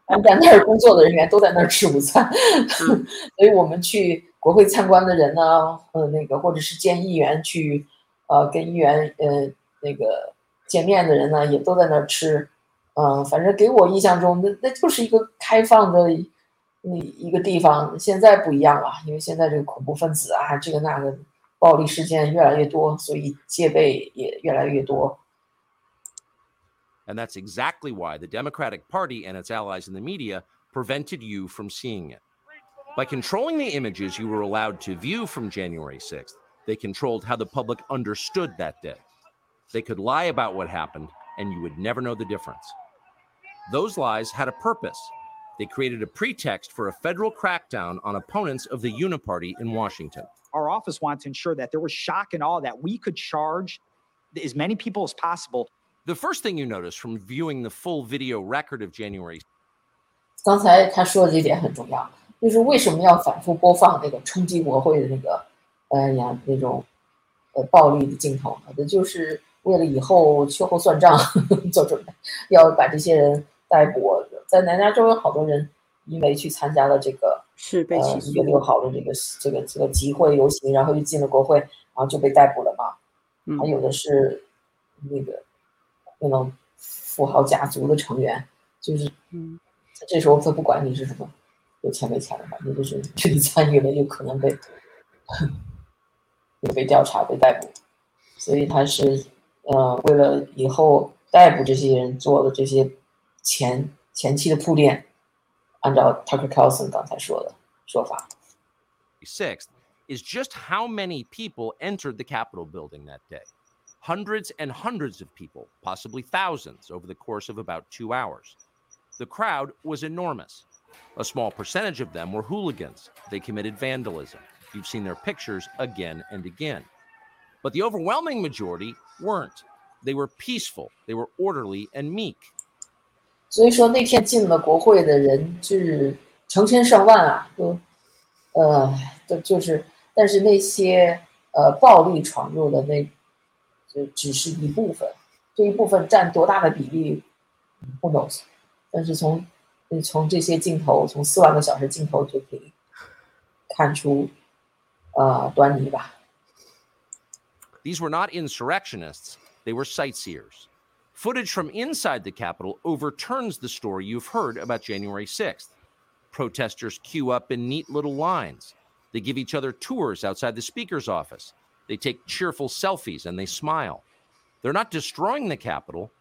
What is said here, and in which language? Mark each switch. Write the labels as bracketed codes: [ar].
[zh] 但在那儿工作的人员都在那儿吃午餐，所以我们去国会参观的人呢，或者是见议员去，跟议员那个见面的人呢，也都在那儿吃。反正给我印象中，那就是一个开放的一个地方。现在不一样了，因为现在这个恐怖分子啊，这个那个。暴力事件越来越多，所以戒备也越来越多。 [en] And that's exactly why the Democratic Party and its allies in the media prevented you from seeing it. By controlling the images you were allowed to view from January 6th, they controlled how the public understood that day. They could lie about what happened, and you would never know the difference. Those lies had a purpose. They created a pretext for a federal crackdown on opponents of the Uniparty in Washington. Our office wanted to ensure that there was shock and awe, that we could charge as many people as possible. The first thing you notice from viewing the full video record of January. [zh] 刚才他说的这点很重要，就是为什么要反复播放那个冲击国会的那个暴力的镜头呢？就是为了以后秋后算账做准备，要把这些人逮捕。在南加州有好多人因为去参加了这个是被起诉一个6号的这个集会游行，然后就进了国会，然后就被逮捕了嘛。还有的是那个富豪家族的成员，就是在这时候他不管你是什么有钱没钱的，反正就是去参与了，有可能被调查被逮捕，所以他是为了以后逮捕这些人做的这些前期的铺垫，按照 Tucker Carlson 刚才说的说法。 [en] Sixth is just how many people entered the Capitol building that day. Hundreds and hundreds of people, possibly thousands, over the course of about 2 hours. The crowd was enormous. A small percentage of them were hooligans. They committed vandalism. You've seen their pictures again and again. But the overwhelming majority weren't. They were peaceful. They were orderly and meek. [zh] 所以说那天进了国会的人就是成千上万啊，就是，但是那些暴力闯入的那，就只是一部分，这一部分占多大的比例 ， [en] who knows？ [zh] 但是从这些镜头，从四万个小时镜头就可以看出端倪吧。 [en] These were not insurrectionists; they were sightseers. Footage from inside the Capitol overturns the story you've heard about January 6th. Protesters queue up in neat little lines. They give each other tours outside the speaker's office. They take cheerful selfies and they smile. They're not destroying the Capitol.